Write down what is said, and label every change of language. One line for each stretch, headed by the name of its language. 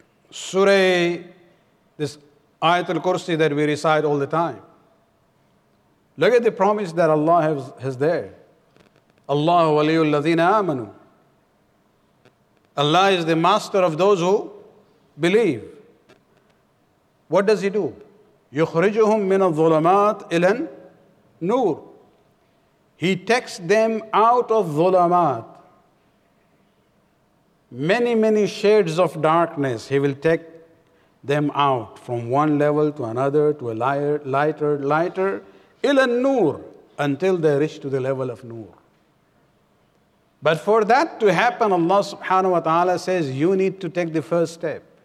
English: This Ayatul Kursi that we recite all the time. Look at the promise that Allah has there.
Arabic: Allahu waliyul ladhina amanu.
English: Allah is the master of those who believe. What does He do?
Arabic: يُخْرِجُهُمْ مِنَ الظُّلَمَاتِ إِلَى النُّورِ
English: He takes them out of ظُلَمَات. Many, many shades of darkness. He will take them out from one level to another, to a lighter.
Arabic: إِلَى النُّورِ
English: Until they reach to the level of Noor. But for that to happen, Allah subhanahu wa ta'ala says, you need to take the first step.